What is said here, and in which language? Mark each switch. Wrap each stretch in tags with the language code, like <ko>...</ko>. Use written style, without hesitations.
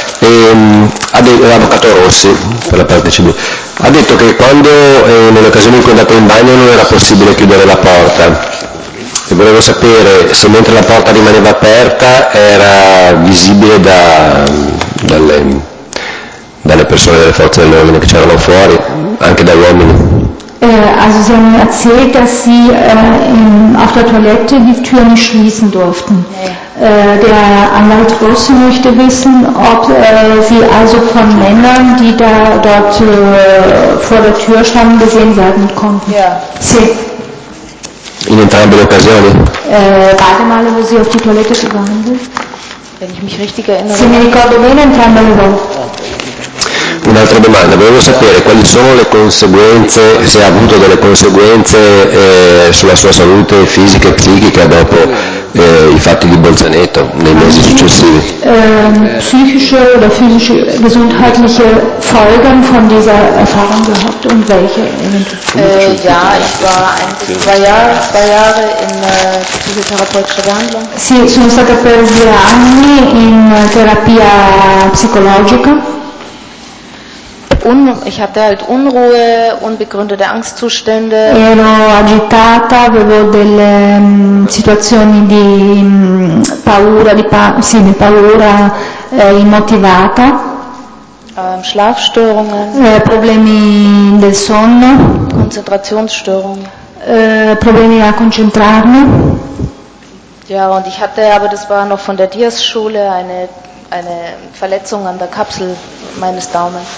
<it>L'avvocato Rossi, per la parte civile, ha detto che quando nell'occasione in cui è andato in bagno non era possibile chiudere la porta, e volevo sapere se mentre la porta rimaneva aperta era visibile dalle, dalle persone delle forze dell'ordine che c'erano fuori, anche dagli uomini.</it> <de>Also sie haben erzählt, dass sie auf der Toilette die Tür nicht schließen durften. Der Anwalt Rosse möchte wissen, ob sie also von Männern, die da dort vor der Tür standen, gesehen werden konnten.</de> <it>Sì. In entrambe le occasioni?</it> <de>Beide Male, wo sie auf die Toilette gegangen sind. Wenn ich mich richtig erinnere.</de> <it>Sì, mi ricordo bene, entrambe le volte. Un'altra domanda, volevo sapere quali sono le conseguenze, se ha avuto delle conseguenze sulla sua salute fisica e psichica dopo i fatti di Bolzaneto nei mesi successivi.</it> <de>Psichische oder physische gesundheitliche Folgen von dieser Erfahrung gehabt und welche? Ja, ich war zwei Jahre in psychotherapeutischer Behandlung.</de> <it>Sì, sono stata per 2 anni in terapia psicologica.</it> <de>Ich hatte halt Unruhe, unbegründete Angstzustände.</de> <it>Ero agitata, avevo delle situazioni di paura, di paura immotivata.</it> <de>Schlafstörungen.</de> <it>Problemi del sonno.</it> <de>Konzentrationsstörungen.</de> <it>Problemi a concentrarmi.</it> <de>Ja, und ich hatte, aber das war noch von der Diaz-Schule, eine Verletzung an der Kapsel meines Daumens.</de>